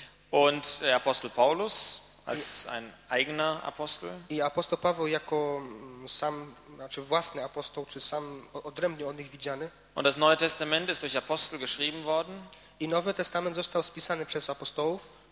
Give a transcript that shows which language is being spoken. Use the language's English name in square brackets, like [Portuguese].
[German] Und Apostel Paulus als ein eigener Apostel. [Polish] I apostoł Paweł jako sam, znaczy własny apostoł, czy sam odrębnie od nich widziany. [German] Und das Neue Testament ist durch Apostel geschrieben worden. [Polish] I Nowy Testament został spisany przez apostołów.